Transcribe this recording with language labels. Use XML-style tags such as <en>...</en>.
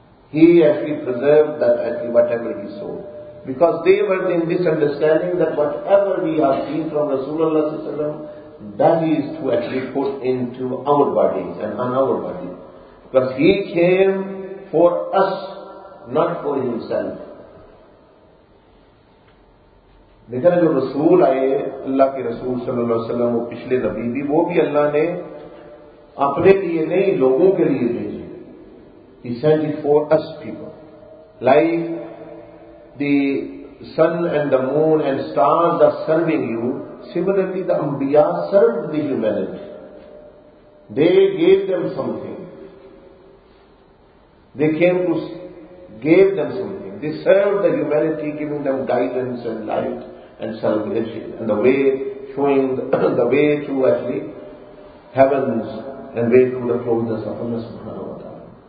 <en>He actually preserved that actually whatever he saw. Because they were in this understanding that whatever we have seen from Rasulullah sallallahu alaihi wasallam, that is to actually put into our bodies and on our body. Because he came for us, not for himself.</en> <ur>لیکن جو رسول آئے اللہ کے رسول صلی اللہ علیہ وسلم وہ پچھلے نبی بھی وہ بھی اللہ نے اپنے لیے نہیں لوگوں کے لیے بھیجے</ur> <en>He sent it for us people. Like the sun and the moon and stars are serving you, similarly the Anbiya served the humanity. They gave them something. They came to give them something. They served the humanity, giving them guidance and light and salvation and the way, showing the way to actually heavens and way to the closeness of Allah subhanahu wa ta'ala.</en>